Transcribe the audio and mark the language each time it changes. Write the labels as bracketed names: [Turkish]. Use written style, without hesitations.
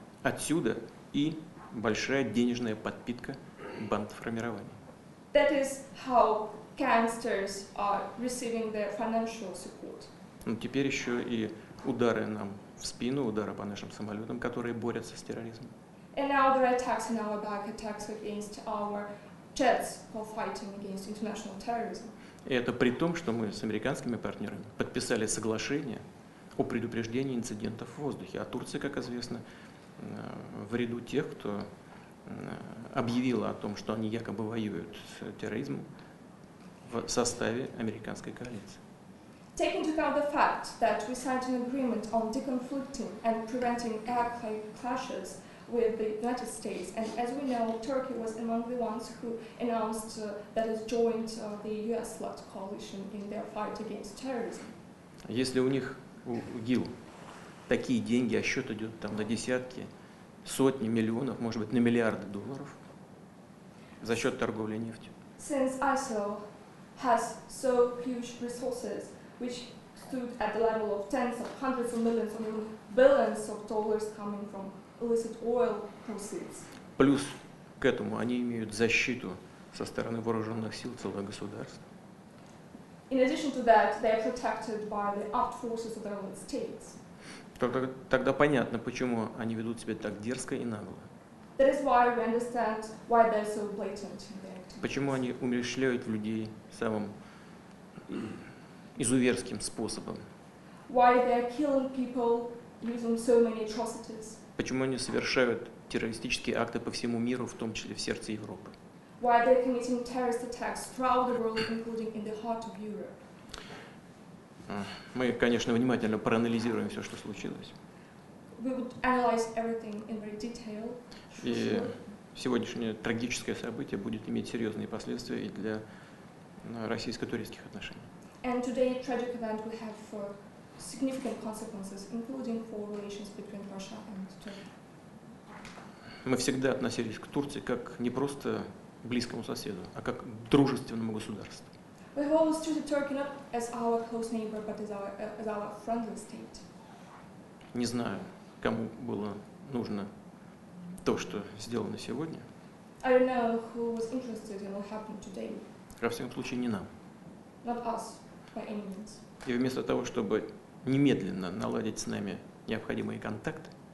[Russian] Отсюда и большая денежная подпитка бандформирования. [English] That is how gangsters are receiving their financial support. [Russian] Ну, теперь еще и удары нам в спину, удары по нашим самолетам, которые борются с терроризмом. [English] And now there are attacks on our back, attacks against our jets for fighting against international terrorism. [Russian] И это при том, что мы с американскими партнерами подписали соглашение о предупреждении инцидентов в воздухе. А Турция, как известно, в ряду тех, кто объявила о том, что они якобы воюют с терроризмом в составе американской коалиции. [English] Taking into account the fact that we signed an agreement on deconflicting and preventing air clashes with the United States, and as we know, Turkey was among the ones who announced that it joined the US-led coalition in their fight against terrorism. [Russian] Если у них, у ИГИЛ, такие деньги, а счет идет там на десятки, сотни миллионов, может быть, на миллиарды долларов за счет торговли нефтью. [English] Since ISIL has so huge resources, which stood at the level of tens of hundreds of millions of billions of dollars coming from illicit oil proceeds. [Russian] Плюс к этому они имеют защиту со стороны вооруженных сил целого государства. [English] In addition to that, they are protected by the armed forces of the United States. [Russian] Тогда понятно, почему они ведут себя так дерзко и нагло. [English] That is why we understand why they are so blatant. [Russian] Почему они умерщвляют людей самым изуверским способом? [English] Why they are killing people using so many atrocities? [Russian] Почему они совершают террористические акты по всему миру, в том числе в сердце Европы? [English] Why they are committing terrorist attacks throughout the world, including in the heart of Europe? [Russian] Мы, конечно, внимательно проанализируем все, что случилось. [English] We would analyze everything in very detail. [Russian] И сегодняшнее трагическое событие будет иметь серьезные последствия и для российско-турецких отношений. [English] And today, tragic event will have significant consequences, including for relations between Russia and Turkey. [Russian] Мы всегда относились к Турции как не просто близкому соседу, а как к дружественному государству. [English] We have always treated Turkey not as our close neighbor, but as our friendly state. [Russian] Не знаю, кому было нужно то, что сделано сегодня. [English] I don't know who was interested in what happened today. [Russian] Во всяком случае, не нам. [English] Not us, by any means. [Russian] И вместо того, чтобы немедленно наладить с нами необходимые контакты,